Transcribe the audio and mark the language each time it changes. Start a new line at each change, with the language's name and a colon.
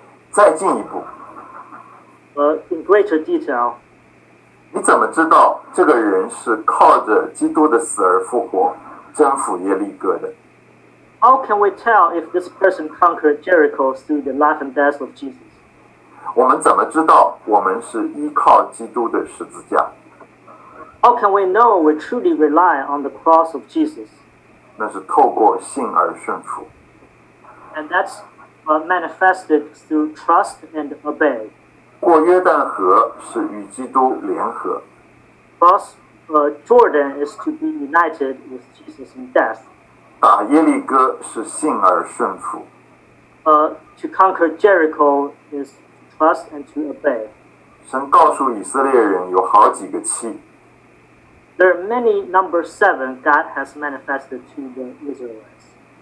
Chinese: 再进一步。
English: In greater detail.
Chinese: 你怎么知道这个人是靠着基督的死而复活，征服耶利哥的？
English: How can we tell if this person conquered Jericho through the life and death of Jesus?
Chinese: 我们怎么知道我们是依靠基督的十字架？
English: How can we know we truly rely on the cross of Jesus?
Chinese: 那是透过信而顺服。
English: And that's manifested through trust and obey.
Chinese: 过约旦河是与基督联合。
English: Cross Jordan is to be united with Jesus in death.
Chinese: 打耶利哥是信而顺服。
English: To conquer Jericho is to trust and to obey.
Chinese: 神告诉以色列人有好几个七。
English: There are many number seven God has manifested to the Israelites.